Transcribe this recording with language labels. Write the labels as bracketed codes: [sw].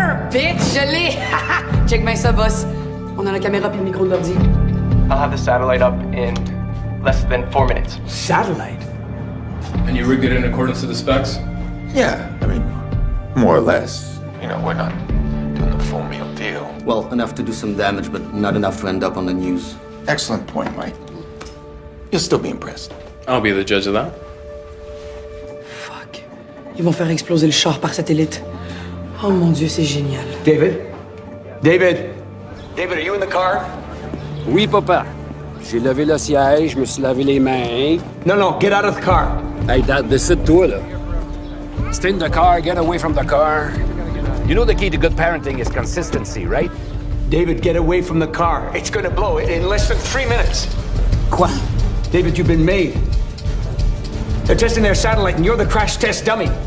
[fr] Bitch, je l'ai! Check bien ça, boss. On a la caméra puis le micro de l'ordi. [en] I'll have the satellite up in less than 4 minutes. Satellite? And you rigged it in accordance to the specs? Yeah, I mean, more or less. You know, we're not doing the full meal deal. Well, enough to do some damage, but not enough to end up on the news. Excellent point, Mike. You'll still be impressed. I'll be the judge of that. Fuck. [fr] Ils vont faire exploser le char par satellite. Oh mon Dieu, c'est génial. [en] David? David? David, are you in the car? [fr] Oui, papa. J'ai levé le siège, je me suis lavé les mains. Non, non, [en] get out of the car. Hey, Dad, [fr] décide-toi, là. [en] Stay in the car, get away from the car. You know the key to good parenting is consistency, right? David, get away from the car. It's gonna blow it in less than 3 minutes. Quoi? David, you've been made. They're testing their satellite and you're the crash test dummy.